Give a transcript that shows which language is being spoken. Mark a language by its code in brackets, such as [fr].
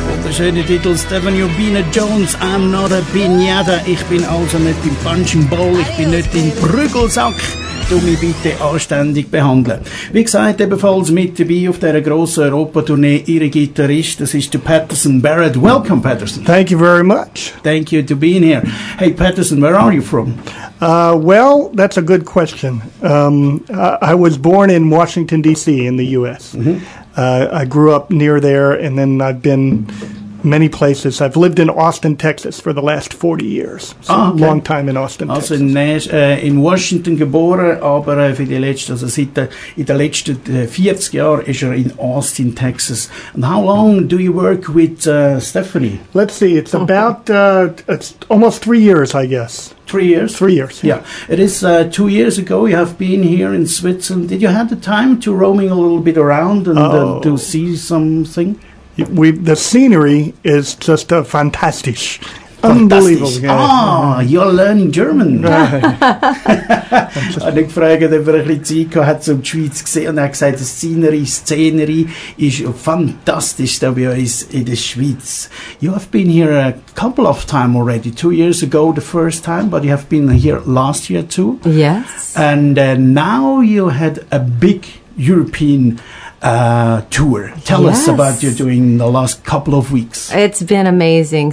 [de] Schöne Titel, [en] Steven, you've been a Jones, I'm not a Pinata. [de] Ich bin also nicht im Punching Bowl, ich bin nicht im Prügelsack. Du mich bitte anständig behandeln. Wie gesagt, ebenfalls mit dabei auf dieser grossen Europa-Tournee, ihre Gitarrist, das ist der Patterson Barrett. [en] Welcome, Patterson. Thank you very much. Thank you to being here. Hey, Patterson, where are you from? Well, that's a good question. I was born in Washington, D.C. in the U.S. I grew up near there, and then I've been many places. I've lived in Austin, Texas for the last 40 years. So ah, okay. A long time in Austin, also Texas. [de] In Washington geboren, aber für die letzten, also seit in den letzten 40 Jahren ist in Austin, Texas. [en] And how long do you work with Stephanie? Let's see, it's about it's almost 3 years, I guess. 3 years? 3 years, yeah. It is 2 years ago you have been here in Switzerland. Did you have the time to roaming a little bit around and to see something? The scenery is just fantastisch. Unbelievable. Ah, you're learning German. Right. [de] Ich habe gefragt, ob er ein bisschen Zeit hatte, um die Schweiz zu sehen. Und er hat gesagt, die Szenery ist fantastisch da bei uns in der Schweiz. [en] You have been here a couple of times already. 2 years ago the first time, but you have been here last year too. Yes. And now you had a big European tour. Tell yes. us about you doing the last couple of weeks. It's been amazing.